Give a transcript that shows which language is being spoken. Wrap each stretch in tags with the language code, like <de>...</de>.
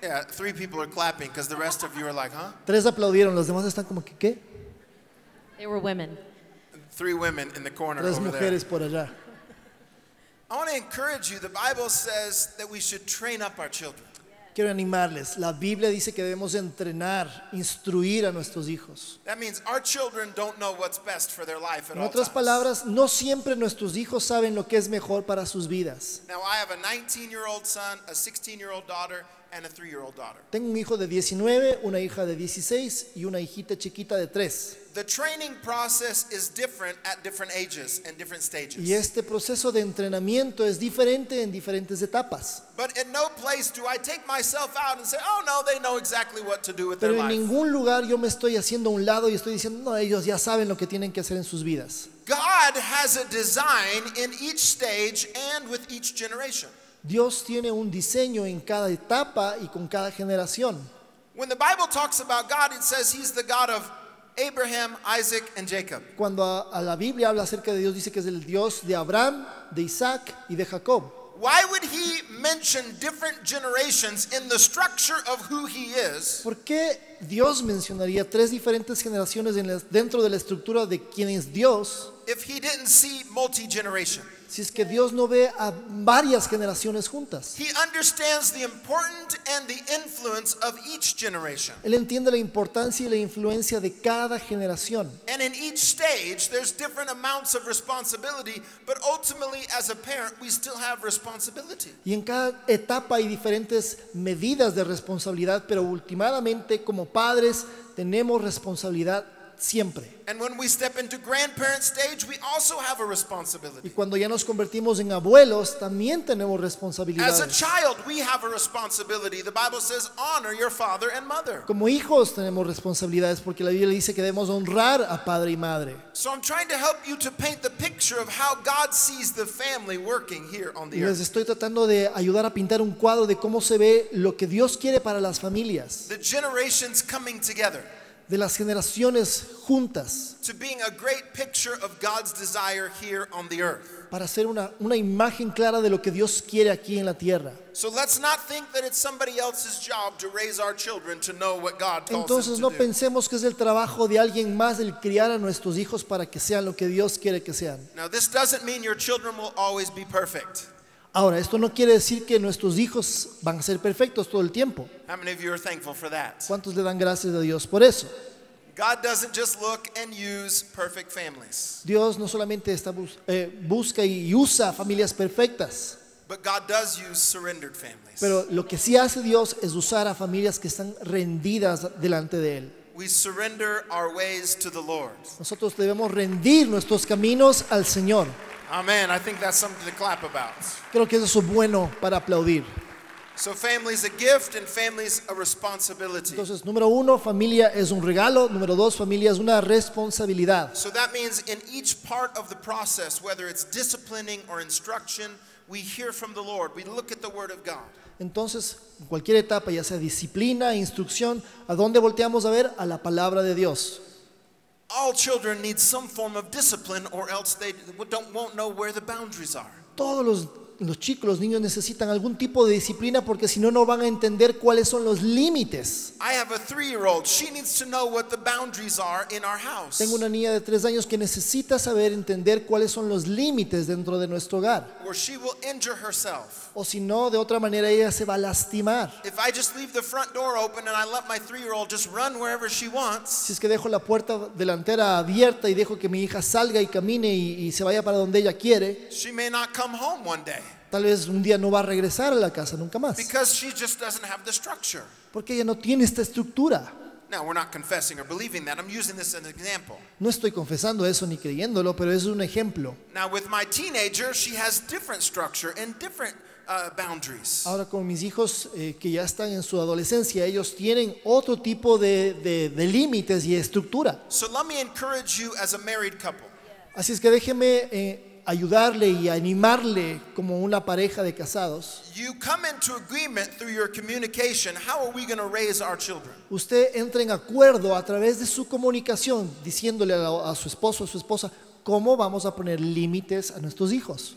<en>Three people are clapping because the rest of you are like, huh?</en> <es>Tres aplaudieron, los demás están como que, ¿qué?</es> <en>They were women. Three women in the corner.</en> <es>Tres mujeres por allá.</es> <en>I want to encourage you. The Bible says that we should train up our children.</en> <es>Quiero animarles. La Biblia dice que debemos entrenar, instruir a nuestros hijos.</es> <en>That means our children don't know what's best for their life at all.</en> <es>En otras palabras, no siempre nuestros hijos saben lo que es mejor para sus vidas.</es> <en>Now I have a 19-year-old son, a 16-year-old daughter, and a 3-year-old daughter.</en> <es>Tengo un hijo de 19, una hija de 16 y una hijita chiquita de 3.</es> <en>The training process is different at different ages and different stages.</en> <es>Y este proceso de entrenamiento es diferente en diferentes etapas.</es> <en>But at no place do I take myself out and say, "Oh no, they know exactly what to do with their life."</en> <es>Pero en ningún lugar yo me estoy haciendo a un lado y estoy diciendo, "No, ellos ya saben lo que tienen que hacer en sus vidas."</es> <en>God has a design in each stage and with each generation.</en> <es>Dios tiene un diseño en cada etapa y con cada generación.</es> <en>When the Bible talks about God, it says he's the God of Abraham, Isaac, and Jacob.</en> <es>Cuando a la Biblia habla acerca de Dios, dice que es el Dios de Abraham, de Isaac y de Jacob.</es> <en>Why would he mention different generations in the structure of who he is?</en> <es>¿Por qué Dios mencionaría tres diferentes generaciones dentro de la estructura de quién es Dios?</es> <en>If he didn't see multi-generation.</en> <es>Si es que Dios no ve a varias generaciones juntas.</es> <en>He understands the importance and the influence of each generation.</en> <es>Él entiende la importancia y la influencia de cada generación.</es> <en>And in each stage, there's different amounts of responsibility, but ultimately, as a parent, we still have responsibility.</en> <es>Y en cada etapa hay diferentes medidas de responsabilidad, pero últimamente, como padres, tenemos responsabilidad. Siempre.</es> <en>And when we step into grandparent stage, we also have a responsibility.</en> <es>Y cuando ya nos convertimos en abuelos, también tenemos responsabilidades.</es> <en>As a child, we have a responsibility. The Bible says, honor your father and mother.</en> <es>Como hijos tenemos responsabilidades porque la Biblia dice que debemos honrar a padre y madre.</es> <en>So I'm trying to help you to paint the picture of how God sees the family working here on the earth.</en> <es>Les estoy tratando de ayudar a pintar un cuadro de cómo se ve lo que Dios quiere para las familias.</es> <en>The generations coming together.</en> <es>De las generaciones juntas.</es> <en>To being a great picture of God's desire here on the earth.</en> <es>Para ser una imagen clara de lo que Dios quiere aquí en la tierra.</es> <en>So let's not think that it's somebody else's job to raise our children to know what God calls</en> <es>Entonces,</es> <en>them</en> <es>no</es> <en>to do.</en> <es>Entonces no pensemos que es el trabajo de alguien más el criar a nuestros hijos para que sean lo que Dios quiere que sean.</es> <en>Now this doesn't mean your children will always be perfect.</en> <es>Ahora, esto no quiere decir que nuestros hijos van a ser perfectos todo el tiempo.</es> <en>How many of you are thankful for that?</en> <es>¿Cuántos le dan gracias a Dios por eso?</es> <en>God doesn't just look and use perfect families.</en> <es>Dios no solamente está busca y usa familias perfectas.</es> <en>But God does use surrendered families.</en> <es>Pero lo que sí hace Dios es usar a familias que están rendidas delante de él.</es> <en>We surrender our ways to the Lord.</en> <es>Nosotros debemos rendir nuestros caminos al Señor.</es> <en>Amen. I think that's something to clap about.</en> <es>Creo que eso es bueno para aplaudir.</es> <en>So family is a gift and family is a responsibility.</en> <es>Entonces, número uno, familia es un regalo. Número dos, familia es una responsabilidad.</es> <en>So that means in each part of the process, whether it's disciplining or instruction, we hear from the Lord. We look at the Word of God.</en> <es>Entonces, en cualquier etapa, ya sea disciplina, instrucción, ¿a dónde volteamos a ver? A la palabra de Dios.</es> <en>All children need some form of discipline or else they won't know where the boundaries are.</en> <es>Todos los chicos, los niños necesitan algún tipo de disciplina porque si no, no van a entender cuáles son los límites.</es> <en>I have a 3-year-old. She needs to know what the boundaries are in our house.</en> <es>Tengo una niña de 3 años que necesita saber entender cuáles son los límites dentro de nuestro hogar.</es> <en>Or she will injure herself.</en> <es>O si no, de otra manera ella se va a lastimar.</es> <en>If I just leave the front door open and I let my 3-year-old just run wherever she wants.</en> <es>Si es que dejo la puerta delantera abierta y dejo que mi hija salga y camine y se vaya para donde ella quiere.</es> <en>She may not come home one day.</en> <es>Tal vez un día no va a regresar a la casa nunca más.</es> <en>Because she just doesn't have the structure.</en> <es>Porque ella no tiene esta estructura.</es> <en>Now we're not confessing or believing that. I'm using this as an example.</en> <es>No estoy confesando eso ni creyéndolo, pero es un ejemplo.</es> <en>Now with my teenager, she has different structure and different boundaries.</en> <es>Ahora con mis hijos que ya están en su adolescencia, ellos tienen otro tipo de límites y estructura.</es> <en>So let me encourage you as a married couple.</en> <es>Así es que déjeme ayudarle y animarle como una pareja de casados.</es> <en>You come into agreement through your communication. How are we going to raise our children?</en> <es>Usted entra en acuerdo a través de su comunicación, diciéndole a su esposo o su esposa, ¿cómo vamos a poner límites a nuestros hijos?</es>